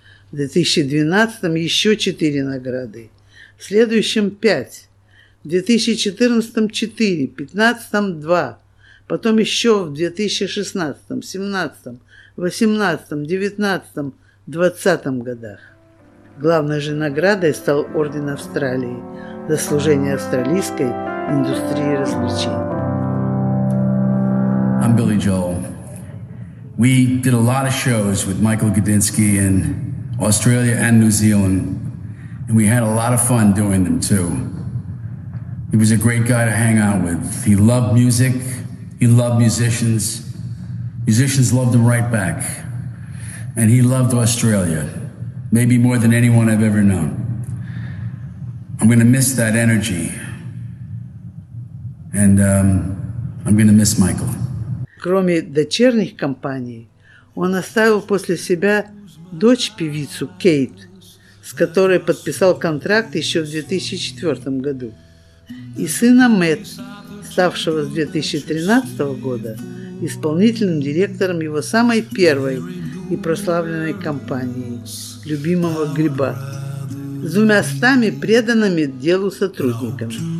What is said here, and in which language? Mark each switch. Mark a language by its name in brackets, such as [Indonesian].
[Russian] В 2012 еще 4 награды, в следующем 5, в 2014 4, в 2015 2, потом еще в 2016, 17, 18, 19, 20 годах. Главной же наградой стал Орден Австралии за служение австралийской индустрии развлечений. [English] I'm Billy Joel. We did a lot of shows with Michael Gudinski in Australia and New Zealand, and we had a lot of fun doing them too. He was a great guy to hang out with. He loved music, he loved musicians. Musicians loved him right back. And he loved Australia. Maybe more than anyone I've ever known. I'm going to miss that energy. And I'm going to miss Michael. [Russian] Кроме дочерних компаний, он оставил после себя дочь-певицу Кейт, с которой подписал контракт еще в 2004 году, и сына Мэтт, ставшего с 2013 года исполнительным директором его самой первой и прославленной компании – любимого гриба, с 200 преданными делу сотрудниками.